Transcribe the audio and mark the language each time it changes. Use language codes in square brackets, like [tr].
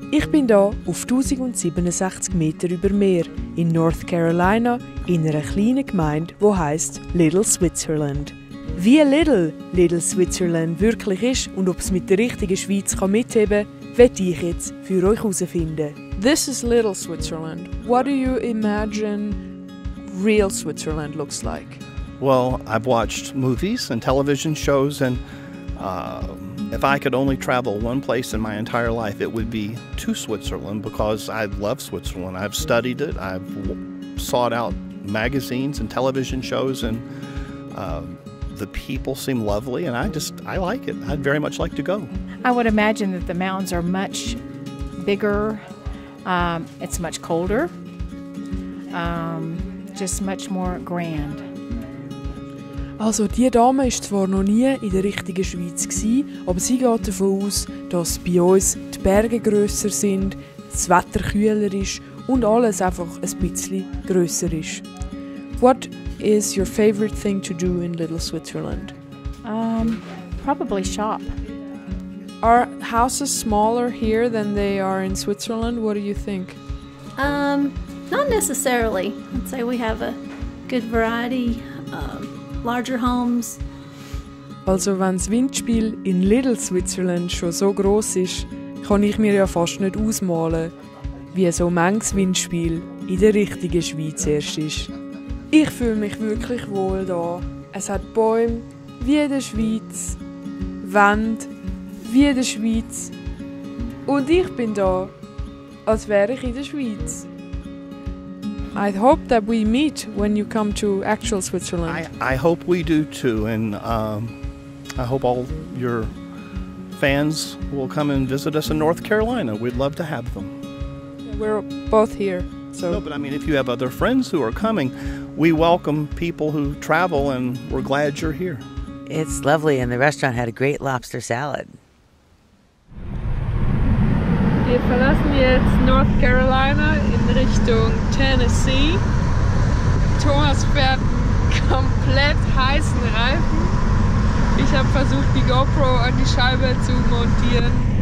[de] Ich bin hier auf 1067 Meter über Meer in North Carolina in einer kleinen Gemeinde, die heisst Little Switzerland. Wie Little Switzerland wirklich ist und ob es mit der richtigen Schweiz mitheben kann, werde ich jetzt für euch herausfinden. [en] This is Little Switzerland. What do you imagine real Switzerland looks like? Well, I've watched movies and television shows, and if I could only travel one place in my entire life, it would be to Switzerland, because I love Switzerland. I've studied it, I've sought out magazines and television shows, and the people seem lovely, and I like it. I'd very much like to go. I would imagine that the mountains are much bigger, it's much colder, just much more grand. [de] Also, die Dame war zwar noch nie in der richtigen Schweiz, aber sie geht davon aus, dass bei uns die Berge grösser sind, das Wetter kühler ist und alles einfach ein bisschen grösser ist. [en] What is your favorite thing to do in Little Switzerland? Probably shop. Are houses smaller here than they are in Switzerland? What do you think? Not necessarily. I'd say we have a good variety. Larger homes. [de] Also, wenn das Windspiel in Little Switzerland schon so gross ist, kann ich mir ja fast nicht ausmalen, wie so manches Windspiel in der richtigen Schweiz erst ist. Ich fühle mich wirklich wohl da. Es hat Bäume wie in der Schweiz, Wände wie in der Schweiz. Und ich bin da, als wäre ich in der Schweiz. [en] I hope that we meet when you come to actual Switzerland. I hope we do too, and I hope all your fans will come and visit us in North Carolina. We'd love to have them. We're both here, so. No, but I mean, if you have other friends who are coming, we welcome people who travel, and we're glad you're here. It's lovely, and the restaurant had a great lobster salad. [de] Wir verlassen jetzt North Carolina in Richtung Tennessee. Thomas fährt komplett heißen Reifen. Ich habe versucht, die GoPro an die Scheibe zu montieren.